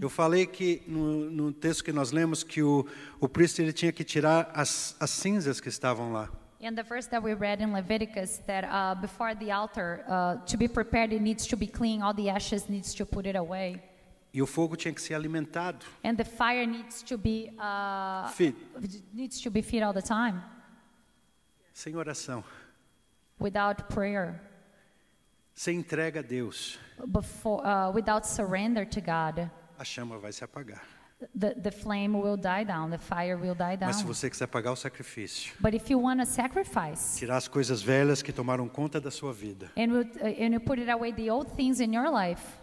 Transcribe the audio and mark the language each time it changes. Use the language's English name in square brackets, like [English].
[Portuguese] Eu falei que no texto que nós lemos que o príncipe ele tinha que tirar as cinzas que estavam lá. [English] In the verse that we read in Leviticus, that before the altar, to be prepared, it needs to be clean. All the ashes needs to put it away. [Portuguese] E o fogo tinha que ser alimentado. [English] And the fire needs to be feed. Needs to be fed all the time. [Portuguese] Sem oração. [English] Without prayer. [Portuguese] Sem entrega a Deus. [English] Without surrender to God. [Portuguese] A chama vai se apagar. [English] The flame will die down. The fire will die down. [Portuguese] Mas se você quiser pagar o sacrifício, [English] but if you want to sacrifice, [Portuguese] tirar as coisas velhas que tomaram conta da sua vida, [English] and you put it away the old things in your life,